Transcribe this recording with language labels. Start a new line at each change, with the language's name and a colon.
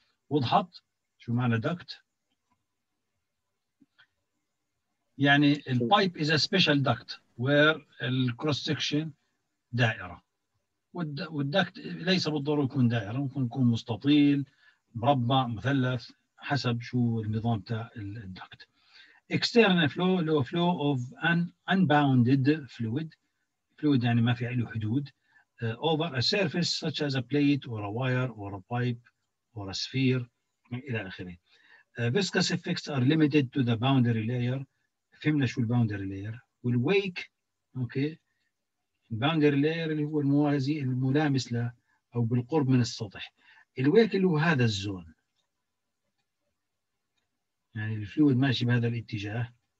Arabic: وضحت شو معنى duct؟ يعني الـ
English: pipe is a special duct where the cross section
Arabic: دائرة، والـ duct ليس بالضرورة يكون دائرة، ممكن يكون مستطيل مربع مثلث حسب شو النظام تاع الـ duct.
English: External flow هو flow of an unbounded fluid،
Arabic: fluid يعني ما في عليه حدود،
English: over a surface such as a plate or a wire or a pipe or a sphere
Arabic: إلى آخره.
English: Viscous effects are limited to the boundary layer.
Arabic: فهمنا شو الباوندري لاير والويك. أوكي الباوندري لاير اللي هو الموازي الملامس له أو بالقرب من السطح. الويك اللي هو هذا الزون، يعني الفلويد ماشي بهذا الاتجاه.